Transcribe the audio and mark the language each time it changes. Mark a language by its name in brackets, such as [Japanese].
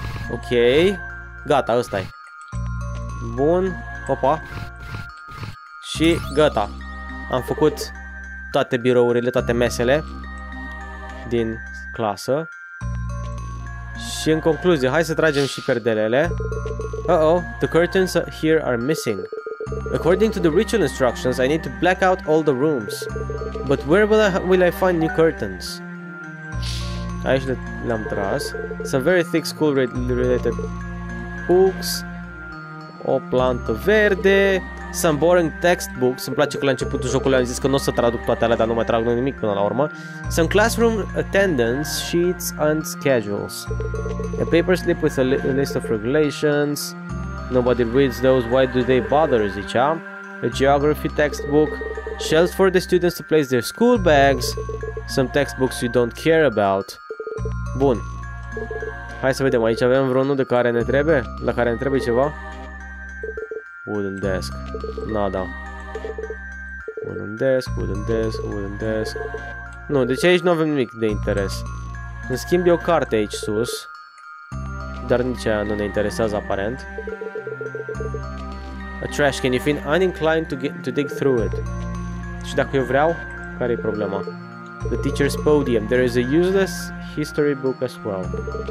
[Romanian] Ok, gata, ăsta-i. Bun, opa. Și gata. Am făcut toate birourile, toate mesele din clasă. Și în concluzie, hai să tragem și perdelele. [English] Uh-oh, the curtains here are missing. According to the ritual instructions, I need to black out all the rooms. But where will I find new curtains? [Romanian] Aici le-am tras. [English] Some very thick school related books. [Romanian] O plantă verde. [English] Some boring textbooks. [Romanian] Îmi place că la începutul jocului am zis că nu o să traduc toate alea, dar nu mai trag nimic până la urmă. [English] Some classroom attendance sheets and schedules. A paper slip with a list of regulations. Nobody reads those, why do they bother, [Romanian] zicea. [English] A geography textbook. Shelves for the students to place their school bags. Some textbooks you don't care about. [Romanian] Bun. Hai să vedem, aici avem vreunul de care ne trebuie? La care ne trebuie ceva? [English] Wooden desk. [Romanian] Nada. [English] Wooden desk, wooden desk, wooden desk. [Romanian] Nu, deci aici nu avem nimic de interes. În schimb e o carte aici sus. Dar nici aia nu ne interesează aparent. [English] A trash can, if you're uninclined to dig through it. [Romanian] Și dacă eu vreau, care e problema? [English] The teacher's podium. There is a useless history book as well.